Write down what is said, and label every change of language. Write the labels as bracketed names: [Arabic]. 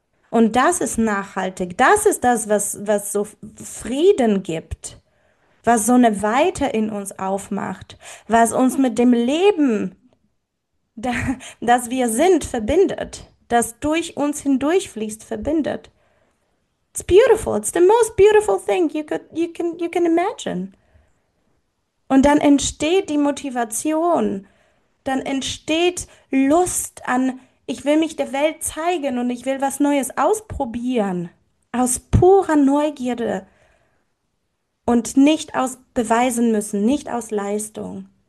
[German] Und das ist nachhaltig. Das ist das, was so Frieden gibt. Was so eine Weite in uns aufmacht. Was uns mit dem Leben, das wir sind, verbindet, das durch uns hindurchfließt, verbindet. [English] It's beautiful. It's the most beautiful thing you can imagine. [German] Und dann entsteht die Motivation. Dann entsteht Lust an, ich will mich der Welt zeigen und ich will was Neues ausprobieren. Aus purer Neugierde. Und nicht aus beweisen müssen, nicht aus Leistung.